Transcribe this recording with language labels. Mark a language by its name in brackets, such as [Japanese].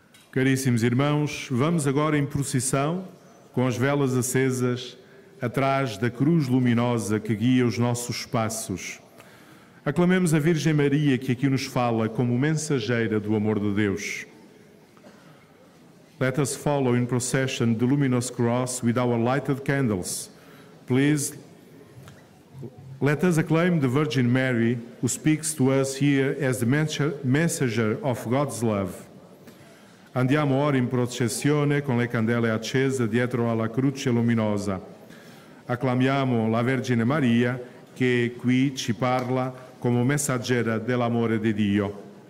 [Portuguese] Caríssimos irmãos, vamos agora em procissão, com as velas acesas, atrás da cruz luminosa que guia os nossos passos. Aclamemos a Virgem Maria, que aqui nos fala como mensageira do amor de Deus. [English] Let us follow in procession the luminous cross with our lighted candles. Please, let us acclaim the Virgin Mary, who speaks to us here as the messenger of God's love. [Italian] Andiamo ora in processione con le candele accese dietro alla croce luminosa. Acclamiamo la Vergine Maria che qui ci parla come messaggera dell'amore di Dio.